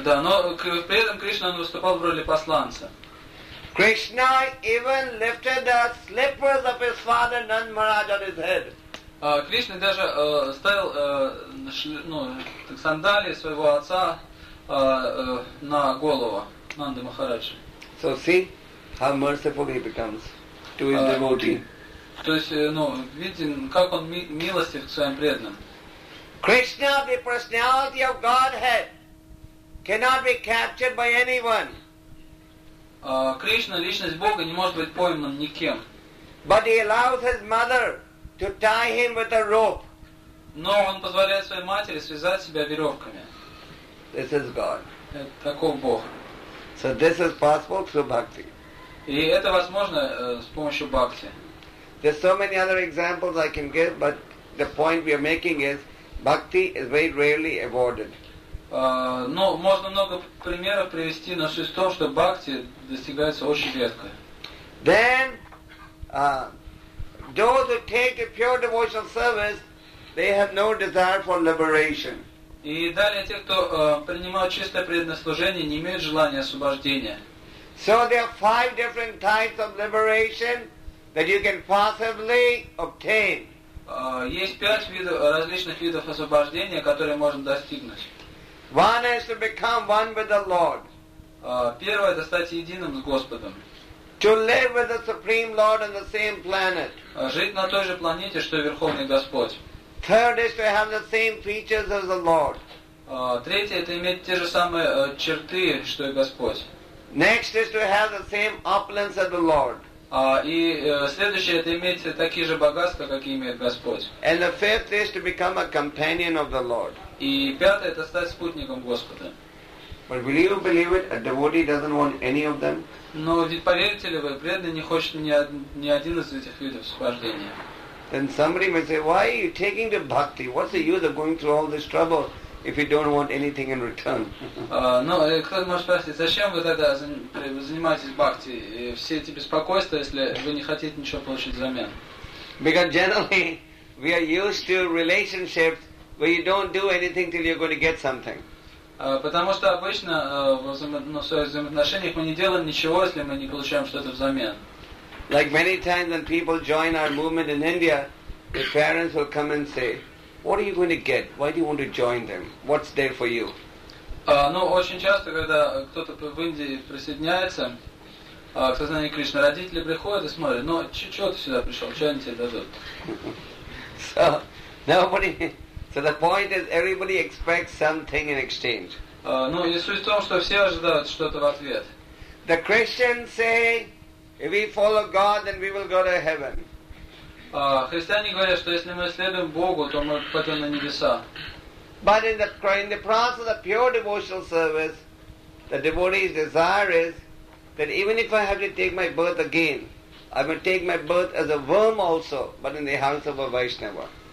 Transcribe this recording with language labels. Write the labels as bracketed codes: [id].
[ru] Да, но при этом Кришна выступал в роли посланца. [en] Krishna even lifted the slippers of his father Nand Maharaj on his head. [ru] Krishna даже ставил сандалии своего отца на голову Нанды Махараджи. [en] So see how merciful he becomes to his devotee. [ru] То есть, видим, как он милостив к своим преданным. [en] Krishna, the personality of Godhead, cannot be captured by anyone. [ru] Кришна, личность Бога, не может быть пойман никем. [en] But he allows his mother to tie him with a rope. [ru] Но он позволяет своей матери связать себя веревками. [en] This is God. [ru] Это таков Бог. [en] So this is possible through bhakti. [ru] И это возможно с помощью бхакти. [en] There's so many other examples I can give, but the point we are making is bhakti is very rarely awarded. [ru] Можно много примеров привести, но суть в том, что бхакти достигается очень редко. [en] Then, those who take a pure devotional service, they have no desire for liberation. [ru] И далее те, кто принимают чистое преданное служение, не имеют желания освобождения. [en] So there are five different types of liberation that you can possibly obtain. [ru] Есть пять различных видов освобождения, которые можно достигнуть. [en] One is to become one with the Lord. [ru] Первое – это стать единым с Господом. [en] To live with the Supreme Lord on the same planet. [ru] Жить на той же планете, что и Верховный Господь. [en] Third is to have the same features as the Lord. [ru] Третье – это иметь те же самые черты, что и Господь. [en] Next is to have the same opulence as the Lord. [ru] Следующее – это иметь такие же богатства, какие имеет Господь. [en] And the fifth is to become a companion of the Lord. [ru] И пятое – это стать спутником Господа. [en] But will you believe it? A devotee doesn't want any of them. [ru] Но поверите ли вы, преданный не хочет ни один из этих видов освобождения. [en] Then somebody may say, why are you taking the bhakti? What's the use of going through all this trouble if you don't want anything in return? [ru] Но кто-то может спросить, зачем вы тогда занимаетесь бхакти и все эти беспокойства, если вы не хотите ничего получить взамен? [en] Because generally we are used to relationships where you don't do anything till you're going to get something. [ru] Потому что обычно в своих взаимоотношениях мы не делаем ничего, если мы не получаем что-то взамен. [en] Like many times when people join our movement in India, the parents will come and say, what are you going to get? Why do you want to join them? What's there for you? [ru] Ну, очень часто, когда кто-то в Индии присоединяется к сознанию Кришны, родители приходят и смотрят, ну, чего ты сюда пришел, что они тебе дадут? [en] So, nobody... So the point is, everybody expects something in exchange. [ru] Ну, и суть в том, что все ожидают что-то в ответ. [en] The Christians say, if we follow God, then we will go to heaven. [ru] Христиане говорят, что если мы следуем Богу, то мы пойдем на небеса. [en] But in the process of pure devotional service, the devotee's desire is that even if I have to take my birth again, I will take my birth as a worm also, but in the hands of a Vaishnava.